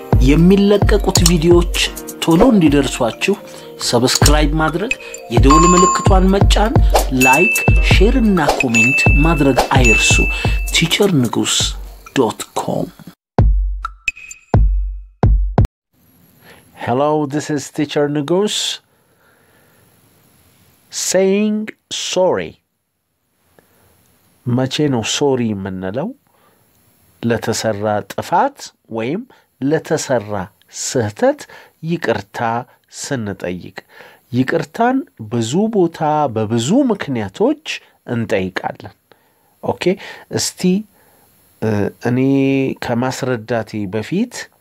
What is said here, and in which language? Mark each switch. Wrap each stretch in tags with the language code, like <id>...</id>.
<am>የሚለቀቁት ቪዲዮዎች ቶሎ እንዲደርሷችሁ ሰብስክራይብ ማድረግ የደወል ምልክቷን መጫን ላይክ ሼር እና ኮሜንት ማድረግ አይርሱ teachernegus.com</am> <en>Hello, this is Teacher Negus saying sorry.</en> <am>መቼ ነው sorry የምንለው? ለተሰራ ጥፋት ወይም ለተሰራ ስህተት ይቅርታ ስንጠይቅ። ይቅርታን ብዙ ቦታ በብዙ ምክንያቶች እንጠይቃለን። ኦኬ እስቲ እኔ ከማስረዳቴ በፊት</am>